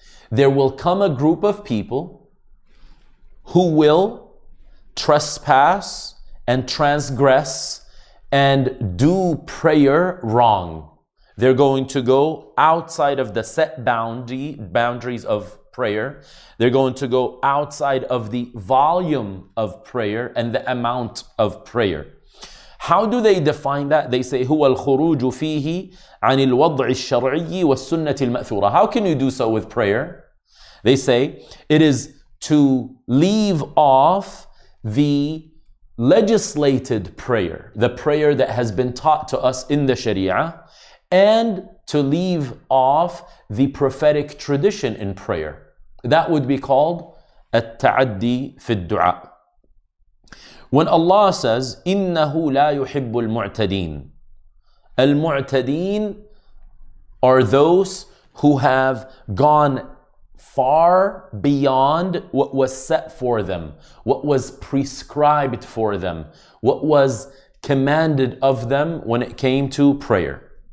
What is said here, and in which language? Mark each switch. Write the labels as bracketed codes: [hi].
[en] There will come a group of people who will trespass and transgress and do prayer wrong. They're going to go outside of the set boundaries of prayer. They're going to go outside of the volume of prayer and the amount of prayer. How do they define that? They say, [ar] هو الخروج فيه عن الوضع الشرعي والسنة المأثورة. [en] How can you do so with prayer? They say, it is to leave off the legislated prayer, the prayer that has been taught to us in the Sharia, and to leave off the prophetic tradition in prayer. That would be called [ar] التعدي في الدعاء. [en] When Allah says, [ar] إِنَّهُ لَا يُحِبُّ الْمُعْتَدِينَ. [en] المعتدين are those who have gone far beyond what was set for them, what was prescribed for them, what was commanded of them when it came to prayer.